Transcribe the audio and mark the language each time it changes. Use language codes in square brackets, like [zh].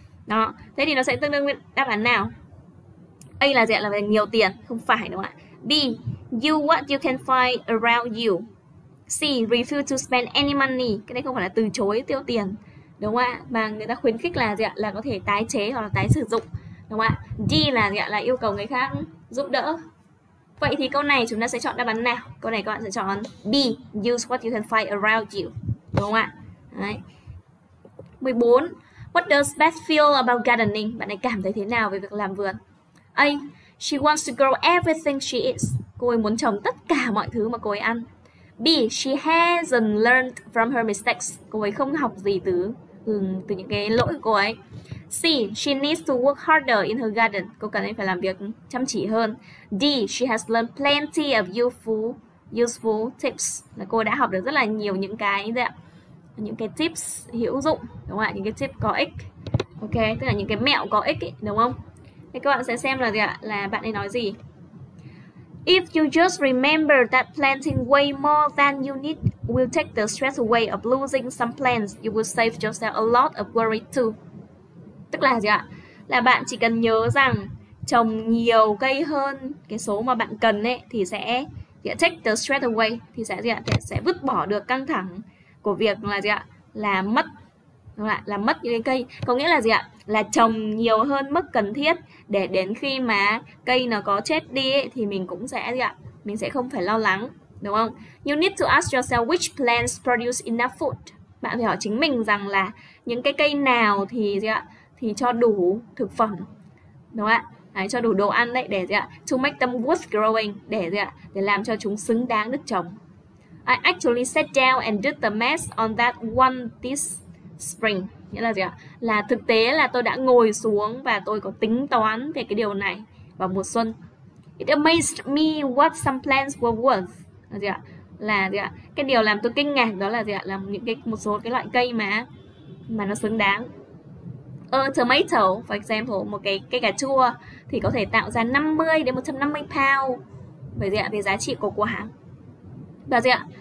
[vi] Đó, thế thì nó sẽ tương đương với đáp án nào? A là gì ạ? Là về nhiều tiền, không phải, đúng không ạ? [en] B, you what you can find around you. C, refuse to spend any money. [vi] Cái đấy không phải là từ chối tiêu tiền, đúng không ạ? Mà người ta khuyến khích là gì ạ? Là có thể tái chế hoặc là tái sử dụng, đúng không ạ? D là gì ạ? Là yêu cầu người khác giúp đỡ. Vậy thì câu này chúng ta sẽ chọn đáp án nào? Câu này các bạn sẽ chọn B, [en] use what you can find around you, [vi] đúng không ạ? Đấy. 14. [en] What does Beth feel about gardening? [vi] Bạn ấy cảm thấy thế nào về việc làm vườn? A. [en] She wants to grow everything she eats. [vi] Cô ấy muốn trồng tất cả mọi thứ mà cô ấy ăn. B. [en] She hasn't learned from her mistakes. [vi] Cô ấy không học gì từ những cái lỗi của cô ấy. C. [en] She needs to work harder in her garden. [vi] Cô cần phải làm việc chăm chỉ hơn. [en] D. She has learned plenty of useful tips. [vi] Là cô đã học được rất là nhiều những cái gì ạ? Những cái tips hữu dụng, đúng không ạ? Những cái tip có ích. Ok, tức là những cái mẹo có ích ấy, đúng không? Thì các bạn sẽ xem là gì ạ? Là bạn ấy nói gì? [en] If you just remember that planting way more than you need will take the stress away of losing some plants, you will save yourself a lot of worry too. [vi] Tức là gì ạ? Là bạn chỉ cần nhớ rằng trồng nhiều cây hơn cái số mà bạn cần ấy thì sẽ [en] take the stress away, [vi] thì sẽ gì ạ? Thì sẽ vứt bỏ được căng thẳng của việc là gì ạ? Là mất, đúng không ạ? Là mất những cái cây. Có nghĩa là gì ạ? Là trồng nhiều hơn mức cần thiết để đến khi mà cây nó có chết đi ấy, thì mình cũng sẽ gì ạ? Mình sẽ không phải lo lắng, đúng không? [en] You need to ask yourself which plants produce enough food. [vi] Bạn phải hỏi chính mình rằng là những cái cây nào thì gì ạ? Thì cho đủ thực phẩm, đúng không ạ? Đấy, cho đủ đồ ăn đấy để gì ạ? [en] To make them worth growing, [vi] để gì ạ? Để làm cho chúng xứng đáng được trồng. [en] I actually sat down and did the math on that one this spring. [vi] Nghĩa là gì ạ? Là thực tế là tôi đã ngồi xuống và tôi có tính toán về cái điều này vào mùa xuân. [en] It amazed me what some plants were worth. [vi] Là gì ạ? Là gì ạ? Cái điều làm tôi kinh ngạc đó là gì ạ? Là những cái một số cái loại cây mà nó xứng đáng. [en] A tomato, for example, [vi] một cái cây cà chua thì có thể tạo ra 50 đến 150 pound về gì ạ? Về giá trị của quả. Và gì ạ?